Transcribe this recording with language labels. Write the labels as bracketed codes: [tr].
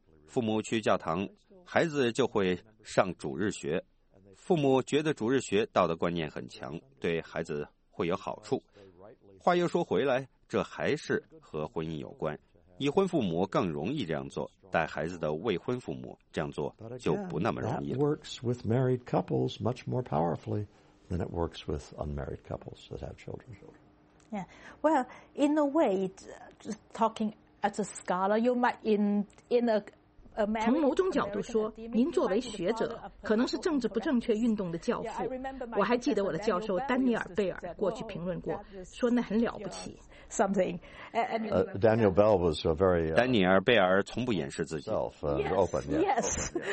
[zh] 父母去教堂，孩子就会上主日学，父母觉得主日学道德观念很强，对孩子会有好处。话又说回来，这还是和婚姻有关，已婚父母更容易这样做，带孩子的未婚父母这样做就不那么容易了。 [en] That works with married couples much more powerfully than it works with unmarried couples that have children. Yeah, well, in a way, just talking as a scholar, you might in a [zh] 从某种角度说，您作为学者，可能是政治不正确运动的教父。我还记得我的教授丹尼尔·贝尔过去评论过，说那很了不起。 [en] Something. Daniel Bell was a very. [zh] 丹尼尔·贝尔从不掩饰自己。 [en] Yes.